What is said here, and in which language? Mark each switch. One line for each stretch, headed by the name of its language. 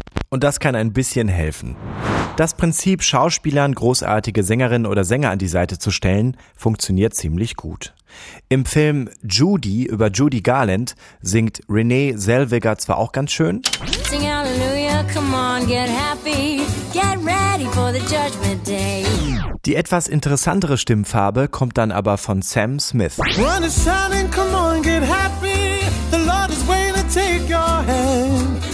German: Und das kann ein bisschen helfen. Das Prinzip, Schauspielern großartige Sängerinnen oder Sänger an die Seite zu stellen, funktioniert ziemlich gut. Im Film Judy über Judy Garland singt Renee Zellweger zwar auch ganz schön.
English: Sing Hallelujah, come on, get happy, get ready for the judgment day.
German: Die etwas interessantere Stimmfarbe kommt dann aber von Sam Smith.
English: When it's shining, come on, get happy, the Lord is waiting to take your hand.